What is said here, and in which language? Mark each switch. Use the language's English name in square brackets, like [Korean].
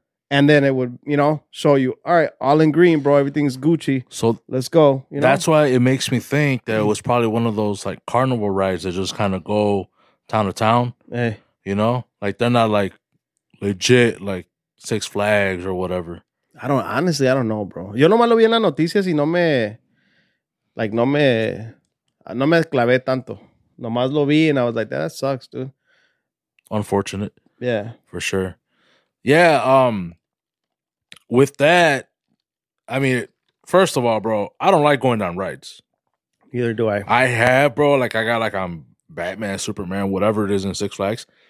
[English] And then it would, you know, show you, all right, all in green, bro. Everything's Gucci. So let's go. You know? That's why it makes me think that it was probably one of those, like, carnival rides that just kind of go town to town. Hey. You know? Like, they're not, like, legit, like, Six Flags or whatever. I don't know, bro. [Spanish] Yo nomás lo vi en las noticias y no me clavé tanto. Nomás lo vi [English] and I was like, that sucks, dude. Unfortunate. Yeah. For sure. Yeah. With that, I mean, first of all, bro, I don't like going down rides. Neither do I. I have, bro. Like, I got, like, I'm Batman, Superman, whatever it is in Six Flags.